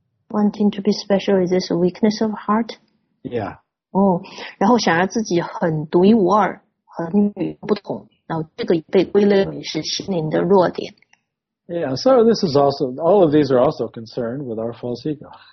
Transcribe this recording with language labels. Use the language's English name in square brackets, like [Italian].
[English] Wanting to be special, is this a weakness of heart? Yeah. [Chinese] 然后想要自己很独一无二，很与众不同，然后这个被归类为是心灵的弱点。Yeah, [English] so this is also, all of these are also concerned with our false ego.